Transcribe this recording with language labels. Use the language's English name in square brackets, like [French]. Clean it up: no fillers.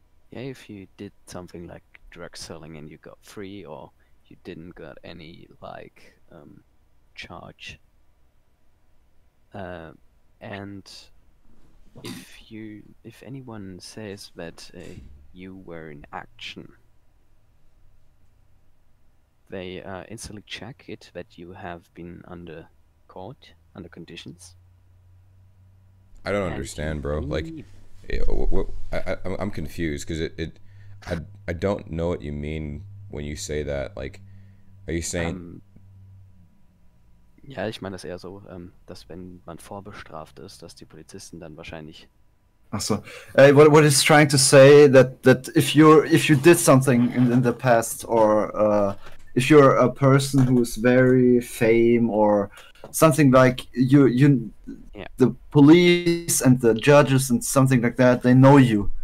[English] Yeah, if you did something like drug selling and you got free, or you didn't got any like charge, and if anyone says that you were in action, they instantly check it that you have been under court, under conditions. I don't understand, bro. Like, I'm confused, because I don't know what you mean when you say that. Like, are you saying? [German] Ich meine das eher so, dass wenn man vorbestraft ist, dass die Polizisten dann wahrscheinlich [English] Also, what he's trying to say that if you did something in the past, or if you're a person who's very fame or something like you yeah. the police and the judges and something like that, they know you.